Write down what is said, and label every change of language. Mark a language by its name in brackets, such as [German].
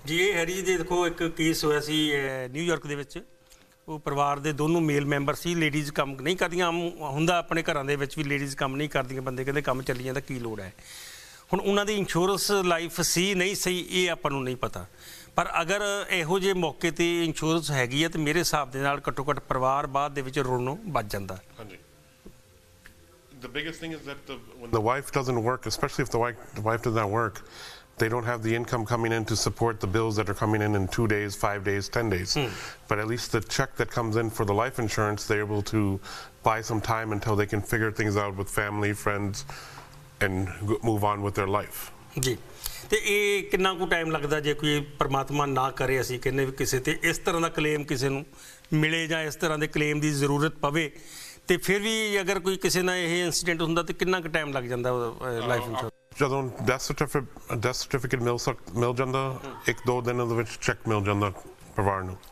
[Punjabi] ਜੀ ਇਹ ਹੈਰੀ ਜੀ ਦੇਖੋ ਇੱਕ ਕੇਸ ਹੋਇਆ ਸੀ ਨਿਊਯਾਰਕ ਦੇ ਵਿੱਚ ਉਹ ਪਰਿਵਾਰ ਦੇ ਦੋਨੋਂ ਮੇਲ ਮੈਂਬਰ ਸੀ ਲੇਡੀਜ਼ ਕੰਮ ਨਹੀਂ ਕਰਦੀਆਂ ਆਮ ਹੁੰਦਾ ਆਪਣੇ ਘਰਾਂ ਦੇ ਵਿੱਚ ਵੀ ਲੇਡੀਜ਼ ਕੰਮ ਨਹੀਂ ਕਰਦੀਆਂ ਬੰਦੇ ਕਹਿੰਦੇ ਕੰਮ ਚੱਲੀ ਜਾਂਦਾ ਕੀ ਲੋੜ ਹੈ ਹੁਣ ਉਹਨਾਂ ਦੀ ਇੰਸ਼ੋਰੈਂਸ ਲਾਈਫ ਸੀ ਨਹੀਂ ਸਹੀ ਇਹ ਆਪਾਂ ਨੂੰ ਨਹੀਂ ਪਤਾ ਪਰ ਅਗਰ ਇਹੋ ਜਿਹੇ ਮੌਕੇ 'ਤੇ ਇੰਸ਼ੋਰੈਂਸ ਹੈਗੀ ਹੈ ਤਾਂ ਮੇਰੇ ਹਿਸਾਬ ਦੇ ਨਾਲ ਘੱਟੋ ਘੱਟ ਪਰਿਵਾਰ ਬਾਅਦ ਦੇ ਵਿੱਚ ਰੋਣੋਂ ਬਚ ਜਾਂਦਾ [English] The biggest thing is that when the wife doesn't work, especially if the wife does not work, they don't have the income coming in to support the bills that are coming in 2 days, 5 days, 10 days. Mm. But at least the check that comes in for the life insurance, they're able to buy some time until they can figure things out with family, friends, and move on with their life. [Punjabi] Ji. ਤੇ ਇਹ ਕਿੰਨਾ ਕੁ time ਲੱਗਦਾ ਜੇ ਕੋਈ ਪਰਮਾਤਮਾ ਨਾ ਕਰੇ ਅਸੀਂ ਕਹਿੰਦੇ ਵੀ ਕਿਸੇ ਤੇ ਇਸ ਤਰ੍ਹਾਂ ਦਾ ਕਲੇਮ ਕਿਸੇ ਨੂੰ ਮਿਲੇ ਜਾਂ ਇਸ ਤਰ੍ਹਾਂ ਦੇ ਕਲੇਮ ਦੀ ਜ਼ਰੂਰਤ ਪਵੇ ਤੇ ਫਿਰ ਵੀ ਅਗਰ ਕੋਈ ਕਿਸੇ ਨਾਲ ਇਹ ਇਨਸੀਡੈਂਟ ਹੁੰਦਾ ਤੇ ਕਿੰਨਾ ਕੁ ਟਾਈਮ ਲੱਗ ਜਾਂਦਾ ਲਾਈਫ ਇੰਸ਼ੋਰੈਂਸ ਜਦੋਂ ਡੈਥ ਸਰਟੀਫਿਕੇਟ ਮਿਲ ਜਾਂਦਾ ਇੱਕ ਦੋ ਦਿਨ ਦੇ ਵਿੱਚ ਚੈੱਕ ਮਿਲ ਜਾਂਦਾ ਪਰਿਵਾਰ ਨੂੰ